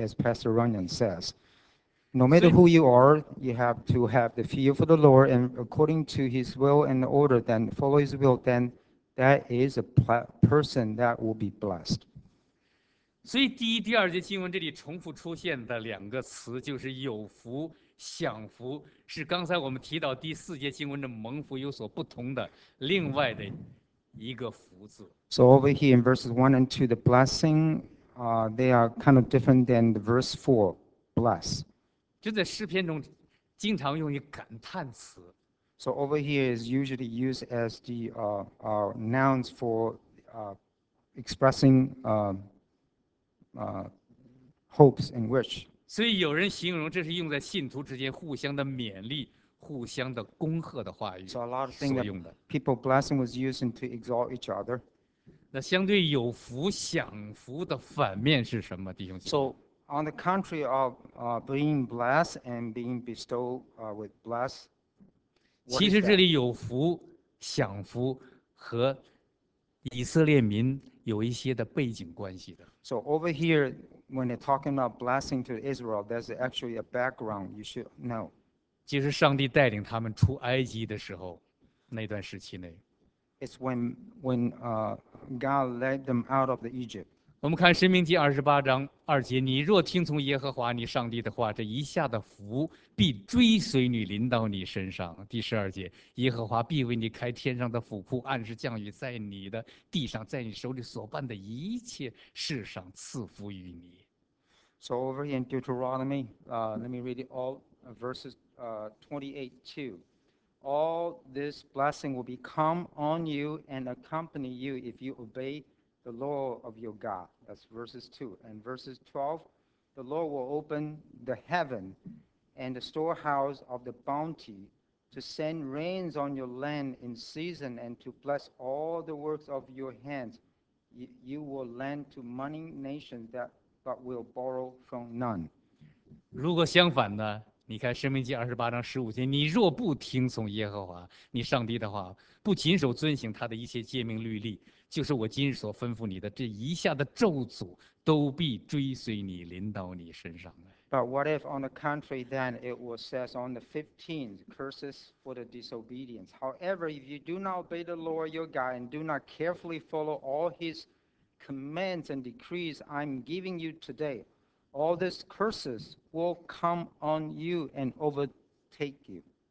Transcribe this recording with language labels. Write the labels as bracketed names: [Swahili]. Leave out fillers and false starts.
[English] As Pastor Runyon says, no matter who you are, you have to have the fear for the Lord, and according to His will and order, then follow His will, then that is a person that will be blessed. [Chinese] 所以第一、第二节经文这里重复出现的两个词就是有福、享福，是刚才我们提到第四节经文的蒙福有所不同的另外的一个福字。 [English] So over here in verses 1 and 2, the blessing, they are kind of different than the verse 4, bless. [Chinese] 就在诗篇中。经常用于感叹词。 [English] So over here is usually used as the nouns for expressing hopes and wish. [Chinese] 所以有人形容这是用在信徒之间互相的勉励、互相的恭贺的话语所用的。 [English] So a lot of things that people blessing was used to exalt each other. [Chinese] 那相对有福享福的反面是什么，弟兄姐妹？ [English] On the contrary of being blessed and being bestowed with bless, [Chinese] 其实这里有福享福和以色列民有一些的背景关系的。 [English] So over here, when they're talking about blessing to Israel, there's actually a background you should know. [Chinese] 即是上帝带领他们出埃及的时候，那段时期内。 [English] It's when God led them out of the Egypt. [Chinese] 我们看申命记28:2，你若听从耶和华你上帝的话，这一下的福必追随你临到你身上。 12，耶和华必为你开天上的府库，按时降雨在你的地上，在你手里所办的一切事上赐福于你。 [English] So over here in Deuteronomy, let me read it all, verses 28:2. All this blessing will come on you and accompany you if you obey. The law of your God. That's verses 2. And verses 12, the Lord will open the heaven and the storehouse of the bounty to send rains on your land in season and to bless all the works of your hands. You will lend to many nations that but will borrow from none. [Chinese] 如果相反呢？你看《申命记》28:15，你若不听从耶和华你上帝的话，不谨守遵行他的一切诫命律例，就是我今日所吩咐你的这一下的咒诅，都必追随你临到你身上来。 [English] But what if, on the contrary, then it was says on the 15th, curses for the disobedience. However, if you do not obey the Lord your God and do not carefully follow all His commands and decrees I'm giving you today. All these curses will come on you and overtake you.